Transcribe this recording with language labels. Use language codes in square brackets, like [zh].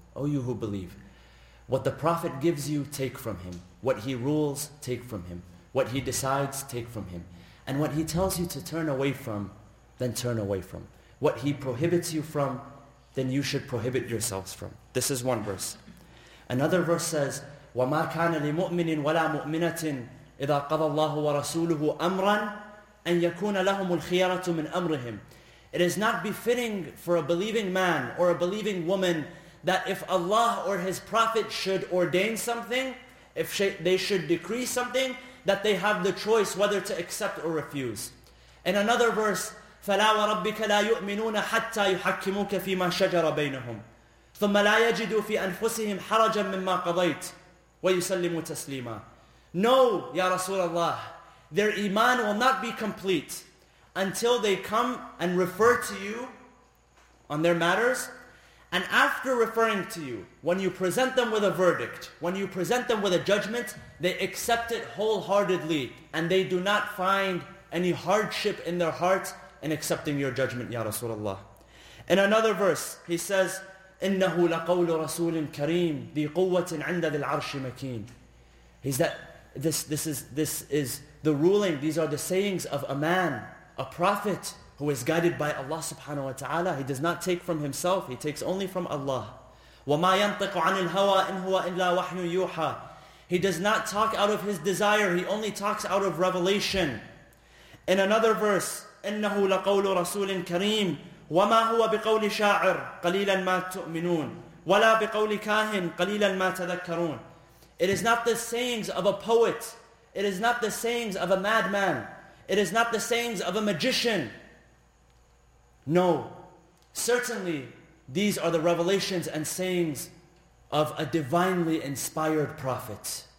[en] O you who believe, what the Prophet gives you, take from him. What he rules, take from him. What he decides, take from him. And what he tells you to turn away from, then turn away from. What he prohibits you from, then you should prohibit yourselves from. This is one verse. Another verse says, [ar] وَمَا كَانَ لِمُؤْمِنٍ وَلَا مُؤْمِنَةٍ إِذَا قَضَى اللَّهُ وَرَسُولُهُ أَمْرًا أَنْ يَكُونَ لَهُمُ الْخِيَرَةُ مِنْ أَمْرِهِمْ. [en] It is not befitting for a believing man or a believing woman that if Allah or His Prophet should ordain something, if they should decree something, that they have the choice whether to accept or refuse. In another verse, [ar] فَلَا وَرَبِّكَ لَا يُؤْمِنُونَ حَتَّى يُحَكِّمُوكَ فِي مَا شَجَرَ بَيْنَهُمْ ثُمَّ لَا يَجِدُوا فِي أَنفُسِهِمْ حَرَجًا مِمَّا قَضَيْتْ وَيُسَلِّمُوا تَسْلِيمًا. [en] No, Ya Rasulullah, their iman will not be complete until they come and refer to you on their matters. And after referring to you, when you present them with a verdict, when you present them with a judgment, they accept it wholeheartedly and they do not find any hardship in their hearts in accepting your judgment, Ya Rasulullah. In another verse, he says, [ar] إِنَّهُ لَقَوْلُ رَسُولٍ كَرِيمٍ ذِي قُوَّةٍ عِنْدَ ذِي الْعَرْشِ مَكِينٍ. [en] He's that, this is the ruling, these are the sayings of a man, a prophet, who is guided by Allah subhanahu wa ta'ala. He does not take from himself, he takes only from Allah. [ar] وَمَا يَنْطِقُ عَنِ الْهَوَىٰ إِنْ هُوَ إِلَّا وَحْيٌ يُوحَىٰ. [en] He does not talk out of his desire, he only talks out of revelation. In another verse, [ar] إِنَّهُ لَقَوْلُ رَسُولٍ كَرِيمٍ وَمَا هُوَ بِقَوْلِ شَاعِرٍ قَلِيلًا مَا تُؤْمِنُونَ وَلَا بِقَوْلِ كَاهِنٍ قَلِيلًا مَا تَذَكَّرُونَ. [en] It is not the sayings of a poet, it is not the sayings of a madman, it is not the sayings of a magician. No, certainly these are the revelations and sayings of a divinely inspired prophet.